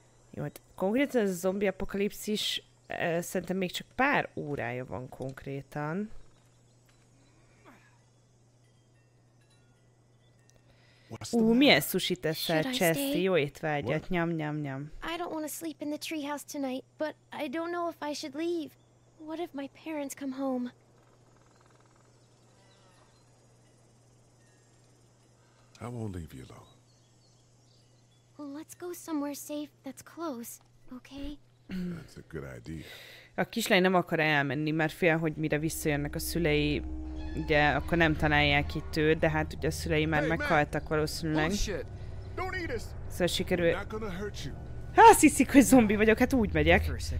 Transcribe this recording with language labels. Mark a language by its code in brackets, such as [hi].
[hu] Jó, hát konkrétan ez a zombi apokalipszis szerintem még csak pár órája van konkrétan. Milyen sushi teszel, Chesty? Jó étvágyat, nyam nyam nyam. [en] I don't want to sleep in the treehouse tonight, but I don't know if I should leave. What if my parents come home? I won't leave you alone. Well, let's go somewhere safe that's close, okay? That's a good idea. [hu] A kislány nem akar elmenni, mert fél, hogy mire visszajönnek a szülei, ugye, akkor nem találják itt őt, de hát ugye a szülei már meghaltak valószínűleg. Szóval sikerül... Azt hiszik, hogy zombi vagyok, hát úgy megyek.